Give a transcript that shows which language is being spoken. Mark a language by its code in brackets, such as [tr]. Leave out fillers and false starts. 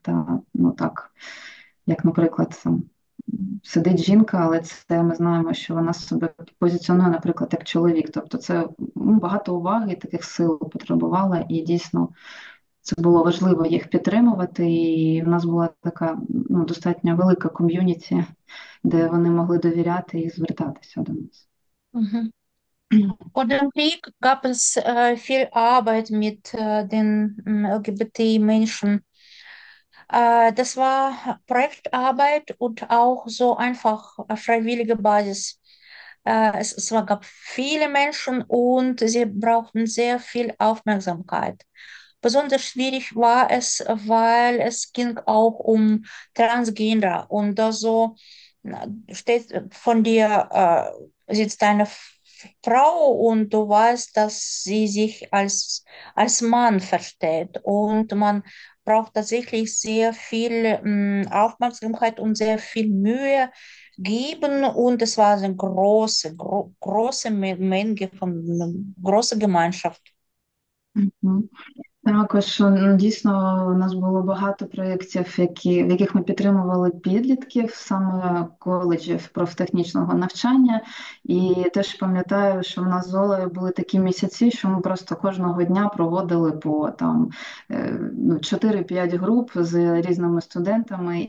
[uk] Та, ну, так, як, наприклад, там сидить жінка, але це ми знаємо, що вона себе позиціонує, наприклад, як чоловік. Тобто це, ну, багато уваги, таких сил потребувала, і дійсно це було важливо їх підтримувати. І в нас була така, ну, достатньо велика ком'юніті, де вони могли довіряти і звертатися до нас. [de] Vor dem Krieg gab es viel Arbeit mit den LGBT-Menschen. Das war Projektarbeit und auch so einfach auf freiwillige Basis. Es gab viele Menschen und sie brauchten sehr viel Aufmerksamkeit. Besonders schwierig war es, weil es ging auch um Transgender und da so steht von dir. Sitzt eine Frau und du weißt, dass sie sich als Mann versteht. Und man braucht tatsächlich sehr viel Aufmerksamkeit und sehr viel Mühe geben. Und es war eine große Menge von großer Gemeinschaft. [uk] Також, ну, дійсно, у нас було багато проєктів, в яких ми підтримували підлітків саме коледжів профтехнічного навчання. І теж пам'ятаю, що в нас з Олею були такі місяці, що ми просто кожного дня проводили по там 4-5 груп з різними студентами.